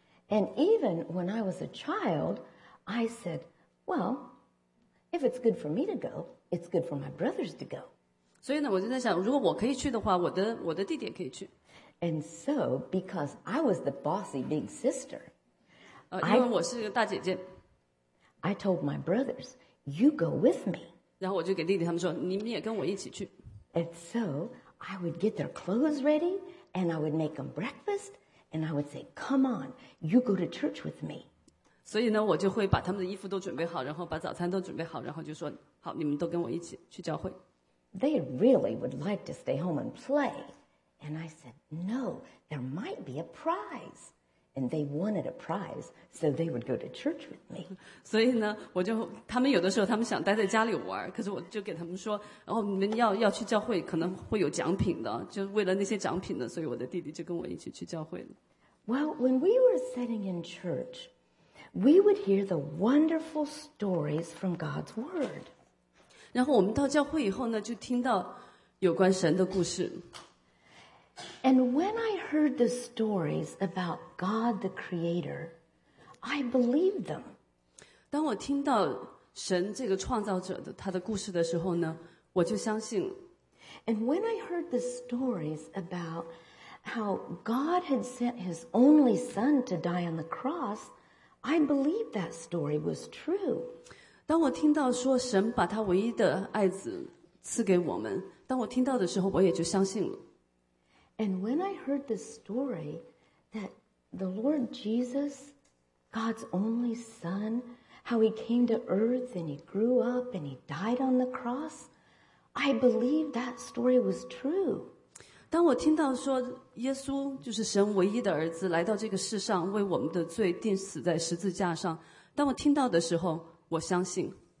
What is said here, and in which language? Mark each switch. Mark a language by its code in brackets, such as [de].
[en] And even when I was a child, I said, well, if it's good for me to go, it's good for my brothers to go. [zh] 所以呢，我就在想，如果我可以去的话，我的弟弟也可以去。 [en] And so, because I was the bossy big sister, [zh] 因为我是个大姐姐。 [en] I told my brothers, "You go with me." [zh] 然后我就给弟弟他们说，你们也跟我一起去。 [en] And so I would get their clothes ready, and I would make them breakfast, and I would say, "Come on, you go to church with me." [zh] 所以呢，我就会把他们的衣服都准备好，然后把早餐都准备好，然后就说，好，你们都跟我一起去教会。 [en] They really would like to stay home and play, and I said, "No, there might be a prize." And they wanted a prize, so they would go to church with me. [zh] 所以呢，我就他们有的时候他们想待在家里玩，可是我就给他们说，然后你们要去教会，可能会有奖品的，就为了那些奖品的，所以我的弟弟就跟我一起去教会了。 [en] Well, when we were sitting in church, we would hear the wonderful stories from God's Word. [zh] 然后我们到教会以后呢，就听到有关神的故事。 [en] And when I heard the stories about God the Creator, I believed them. [zh] 当我听到神这个创造者的他的故事的时候呢，我就相信了。 [en] And when I heard the stories about how God had sent His only Son to die on the cross, I believed that story was true. [zh] 当我听到说神把他唯一的爱子赐给我们，当我听到的时候，我也就相信了。 [en] And when I heard the story that the Lord Jesus, God's only Son, how He came to earth and He grew up and He died on the cross, I believed that story was true. [zh] 当我听到说耶稣就是神唯一的儿子来到这个世上为我们的罪钉死在十字架上，当我听到的时候，我相信。